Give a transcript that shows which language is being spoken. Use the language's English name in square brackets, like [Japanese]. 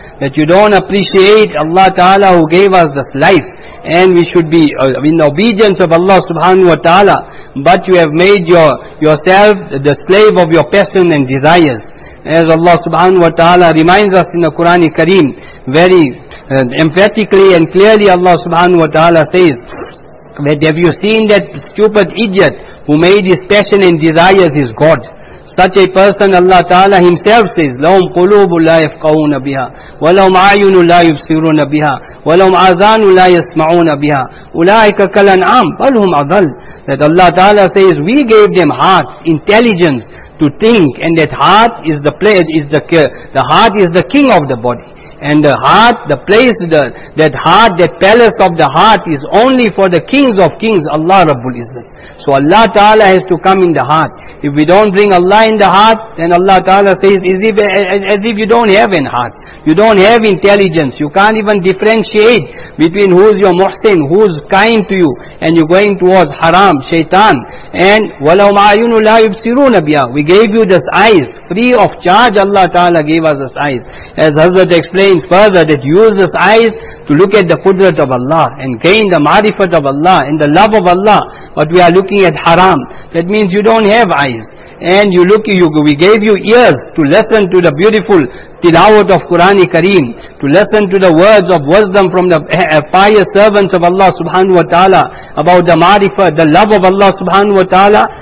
[English] That you don't appreciate Allah Ta'ala who gave us this life, and we should be in the obedience of Allah subhanahu wa ta'ala, but you have made yourself the slave of your passion and desires. As Allah subhanahu wa ta'ala reminds us in the Quran Kareem, very emphatically and clearly Allah subhanahu wa ta'ala says, that have you seen that stupid idiot who made his passion and desires his God? Such a person, Allah Ta'ala Himself says, [Arabic] لَهُمْ قُلُوبُ لَا يَفْقَهُونَ بِهَا وَلَهُمْ عَيُنُ لَا يُبْصِرُونَ بِهَا وَلَهُمْ آذَانُ لَا يَسْمَعُونَ بِهَا أُولَٰئِكَ كَالْأَنْعَامِ بَلْ هُمْ أَضَلُّ. [English] That Allah Ta'ala says, we gave them hearts, intelligence to think, and that heart is the place, is the heart is the king of the body. And the heart, the place, that heart, that palace of the heart is only for the kings of kings, Allah Rabbul Izzat. So Allah Ta'ala has to come in the heart. If we don't bring Allah in the heart, then Allah Ta'ala says, as if you don't have an heart. You don't have intelligence. You can't even differentiate between who's your muhsin, who's kind to you, and you're going towards haram, shaitan. [Arabic] And, وَلَوْ مَعَيُنُ لَا يُبْصِرُونَ بِيَا. [English] We gave you this eyes, free of charge Allah Ta'ala gave us this eyes. As Hazrat explains further, that use this eyes to look at the qudrat of Allah, and gain the marifat of Allah, and the love of Allah. But we are looking at haram. That means you don't have eyes. And we gave you ears to listen to the beautiful tilawat of Qur'an Kareem, to listen to the words of wisdom from the pious servants of Allah subhanahu wa ta'ala about the marifah, the love of Allah subhanahu wa ta'ala.